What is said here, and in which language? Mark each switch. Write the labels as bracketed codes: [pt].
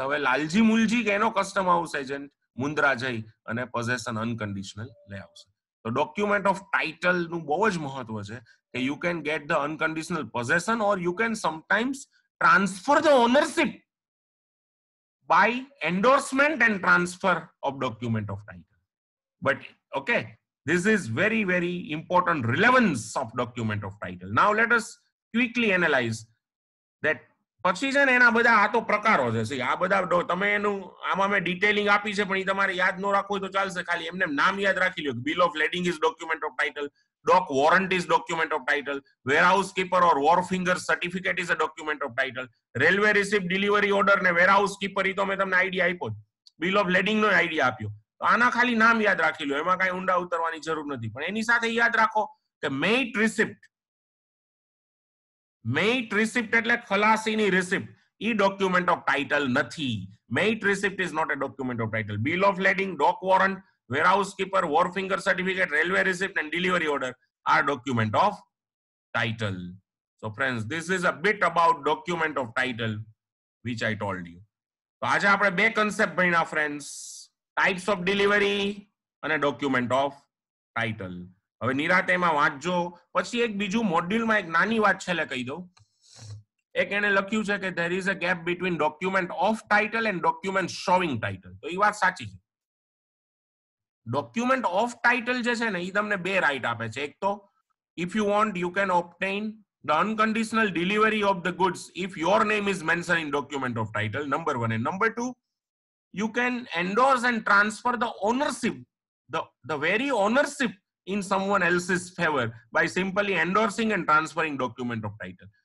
[gu] હવે લાલજી મુલજી એનો custom house agent Mundra જઈ અને પોઝેશન અનકન્ડિશનલ લઈ આવશે. [en] તો document of title [gu] નું બહુ જ મહત્વ છે કે [en] You can get the unconditional possession or you can sometimes transfer the ownership by endorsement and transfer of document of title. But okay, this is very very important relevance of document of title. Now let us quickly analyze that procedure. [gu] એના બધા આ તો પ્રકારો છે. see આ બધા તમે એનું આમાં મે ડિટેલિંગ આપી છે પણ એ તમારે યાદ ન રાખવું હોય તો ચાલશે, ખાલી એમને નામ યાદ રાખી લ્યો. [en] bill of lading is document of title, dock warrant is document of title, warehouse keeper or wharfinger certificate is a document of title, railway receipt delivery order ને warehouse keeper [gu] એ તો મેં તમને આઈડિયા આપ્યો જ, [en] bill of lading [gu] નો આઈડિયા આપ્યો. આના ખાલી નામ યાદ રાખી લો, એમાં કઈ ઊંડા ઉતરવાની જરૂર નથી. પણ એની સાથે યાદ રાખો કે મેઇટ રિસિપ્ટ, મેઇટ રિસિપ્ટ એટલે ખલાસીની receipt, A document of title નથી. [en] Mate receipt is not a document of title. Bill of lading, dock warrant, warehouse keeper, wharfinger certificate, railway receipt and delivery order are document of title. So friends, this is a bit about document of title which I told you. [gu] તો આજે આપણે બે concept ભણ્યા friends, [en] types of delivery [gu] અને document of title. હવે નિરાતે એમાં વાંચજો. પછી એક બીજું મોડ્યુલ માં એક નાની વાત છેલ્લે કહી દઉં. એક એને લખ્યું છે કે [en] there is a gap between document of title and document showing title. [gu] તો એ વાત સાચી છે. document of title જે છે ને એ તમને બે રાઈટ આપે છે. એક તો [en] if you want you can obtain the unconditional delivery of the goods if your name is mentioned in document of title, number 1. And number 2, you can endorse and transfer the ownership, the very ownership in someone else's favor by simply endorsing and transferring document of title.